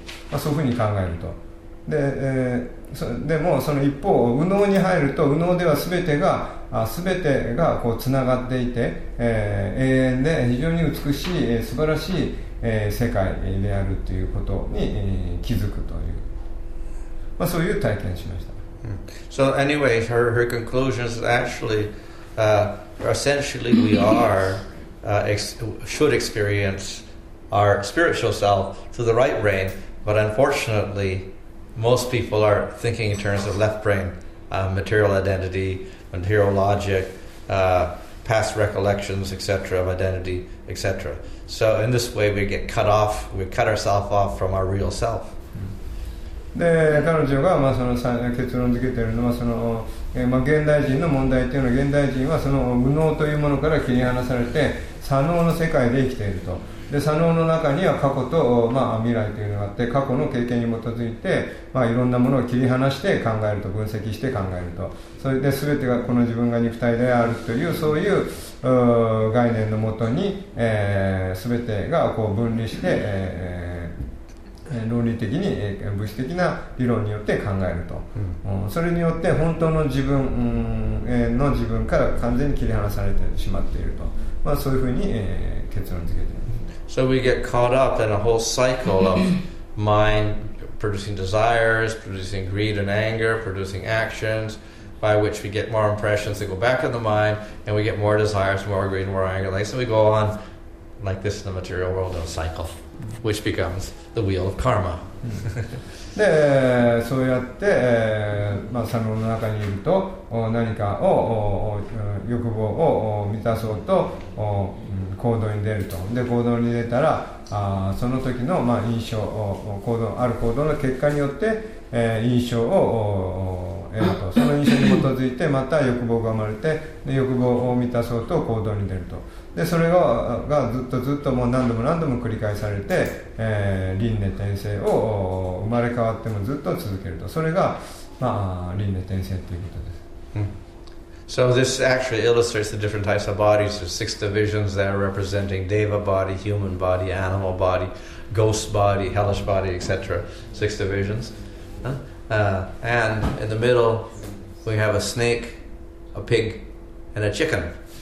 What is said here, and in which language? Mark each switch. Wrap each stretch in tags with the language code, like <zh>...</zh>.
<ja>まあ、そういうふうに考えると、で、でもその一方右脳に入ると、右脳では全てがこうつながっていて、永遠で非常に美しい、素晴らしい、世界であるということに、気づくという、まあ、そういう体験しました。</ja> <en>So anyway, her conclusion is actually essentially we are should experience our spiritual self through the right brain, but unfortunately most people are thinking in terms of left brain, material identity, material logic, past recollections, etc., of identity, etc. So in this way we get cut off, we cut ourselves off from our real self.</en> <ja>で、彼女がまあその結論付けているのは、その、まあ、現代人の問題というのは、現代人はその右脳というものから切り離されて左脳の世界で生きていると、で左脳の中には過去と、まあ、未来というのがあって、過去の経験に基づいて、まあ、いろんなものを切り離して考えると、分析して考えると、それで全てがこの自分が肉体であるという、そういう概念のもとに、全てがこう分離して、論理的に、物質的な理論によって考えると、それによって本当の自分、の自分から完全に切り離されてしまっていると、まあ、そういうふうに、結論付けています。</ja> <en>So we get caught up in a whole cycle of mind producing desires, producing greed and anger, producing actions by which we get more impressions that go back in the mind, and we get more desires, more greed, more anger, like, so we go on like this in the material world in a cycleWhich becomes the wheel of karma.</en> <ja>で、そうやって、まあ、サロンの中にいると、何かを欲望を満たそうと行動に出ると。で、行動に出たら、その時の、まあ、印象を、行動、ある行動の結果によって、印象を得ると。その印象に基づいてまた欲望が生まれて、で、欲望を満たそうと行動に出ると。でそれ がずっとずっともう何度も何度も繰り返されて、輪廻転生を生まれ変わってもずっと続けると、それが、まあ、輪廻転生ということです。</ja> <en>So this actually illustrates the different types of bodies. There's six divisions that are representing deva body, human body, animal body, ghost body, hellish body, etc. Six divisions. And in the middle we have a snake, a pig, and a chicken.</en>